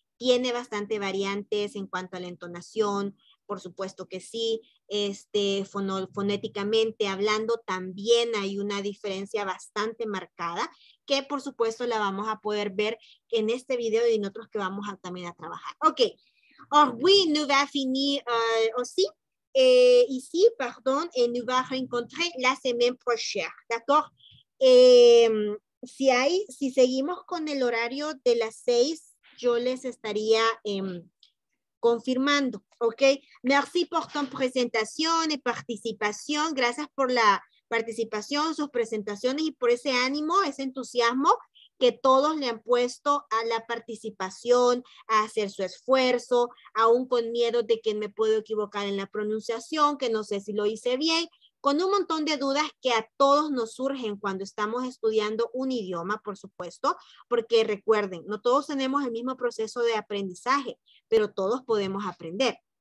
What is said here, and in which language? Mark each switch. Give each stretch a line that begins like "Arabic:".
Spanish: Tiene bastante variantes en cuanto a la entonación, por supuesto que sí. Fonéticamente hablando, también hay una diferencia bastante marcada, que por supuesto la vamos a poder ver en este video y en otros que vamos también a trabajar.
French: Ok. Oui, nous va finir aussi. Ici, pardon, et nous va rencontrer la semaine prochaine. D'accord?
Spanish: Si seguimos con el horario de las 6, yo les estaría confirmando. Ok.
French: Merci pour ton
Spanish: presentación y participación. Gracias por la participación, sus presentaciones y por ese ánimo, ese entusiasmo que todos le han puesto a la participación, a hacer su esfuerzo, aún con miedo de que me puedo equivocar en la pronunciación, que no sé si lo hice bien, con un montón de dudas que a todos nos surgen cuando estamos estudiando un idioma, por supuesto, porque recuerden, no todos tenemos el mismo proceso de aprendizaje, pero todos podemos aprender,